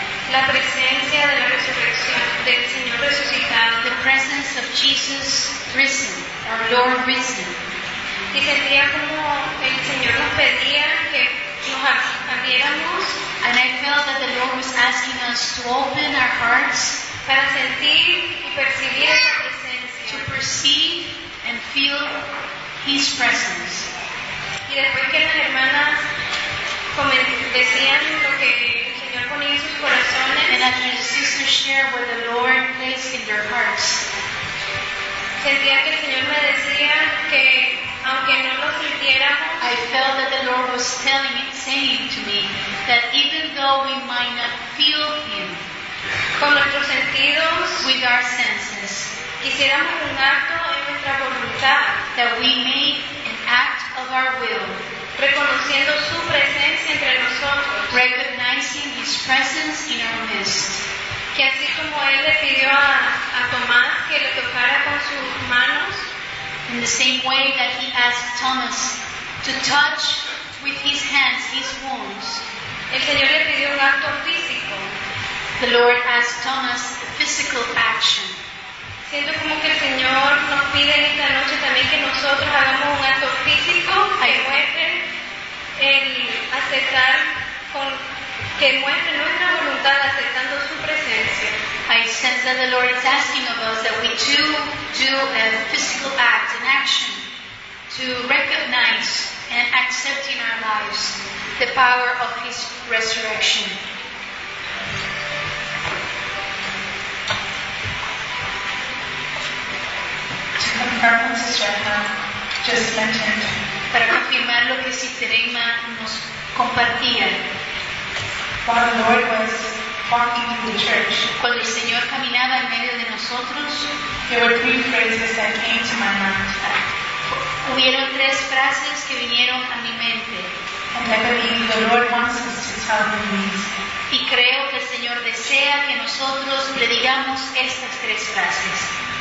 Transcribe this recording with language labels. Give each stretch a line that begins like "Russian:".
Spanish: la presencia de la resurrección del Señor resucitado,
English: the presence of Jesus risen, our Lord risen.
Spanish: Y sentía como el Señor nos pedía que nos abriéramos.
English: And I felt that the Lord was asking us to open our hearts
Spanish: para sentir y percibir esa presencia.
English: To perceive and feel His presence.
Spanish: Y después que las hermanas decían lo que el Señor ponía en sus corazones,
English: and after the sisters shared what the Lord placed in their hearts,
Spanish: sentía que el Señor me decía que aunque no lo sintiéramos,
English: I felt that the Lord was saying to me that even though we might not feel Him
Spanish: con nuestros sentidos,
English: with our senses,
Spanish: quisiéramos un acto en nuestra voluntad,
English: that we make an act of our will,
Spanish: reconociendo su presencia entre nosotros,
English: recognizing His presence in our midst.
Spanish: Que así como Él le pidió a Tomás que le tocara con sus manos,
English: in the same way that He asked Thomas to touch with His hands His wounds,
Spanish: el Señor le pidió un acto físico.
English: The Lord asked Thomas a physical action.
Spanish: Siento como que el Señor nos pide en esta noche también que nosotros hagamos un acto físico que muestre el aceptar con que muestre nuestra voluntad aceptando su presencia.
English: I sense that the Lord is asking of us that we too do a physical act, an action, to recognize and accept in our lives the power of His resurrection. To confirm what Sister Emma just mentioned,
Spanish: para confirmar lo que Sister Emma nos compartía,
English: while the Lord was walking in the church,
Spanish: cuando el Señor caminaba en medio de nosotros,
English: there were three phrases that came to my mind.
Spanish: Hubieron tres frases que vinieron a mi mente.
English: And I believe the Lord wants us to tell them these.
Spanish: Y creo que el Señor desea que nosotros le digamos estas tres frases.